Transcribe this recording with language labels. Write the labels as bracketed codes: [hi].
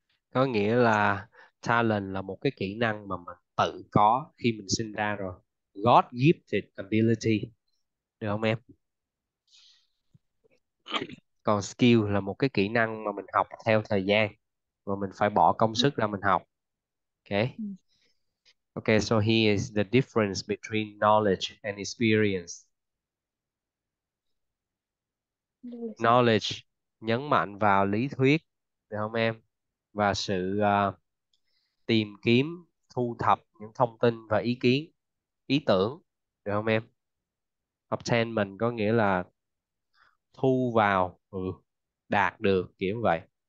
[vi] Có nghĩa là talent là một cái kỹ năng mà mình tự có khi mình sinh ra rồi. [en] God-gifted ability. [vi] Được không em? Còn skill là một cái kỹ năng mà mình học theo thời gian và mình phải bỏ công sức ra mình học. [en] Okay. Okay, so here is the difference between knowledge and experience. [vi] Knowledge nhấn mạnh vào lý thuyết, được không em? Và sự tìm kiếm, thu thập những thông tin và ý kiến, ý tưởng, được không em? Obtainment có nghĩa là thu vào, đạt được, kiểu vậy.